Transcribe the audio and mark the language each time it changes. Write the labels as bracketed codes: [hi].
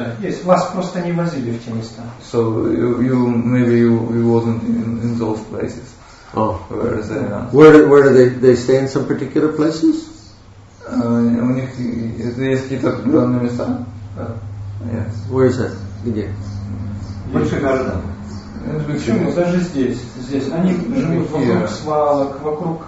[ru] Есть, вас просто не возили в те места. [en] So you maybe you wasn't in those places. Oh. Where is they? Where do they stay in some particular places? [ru] У них есть какие-то определенные места. [en] Yes. Where is that? [ru] Где? Большие города. Почему? Даже здесь. Они живут вокруг свалок, вокруг...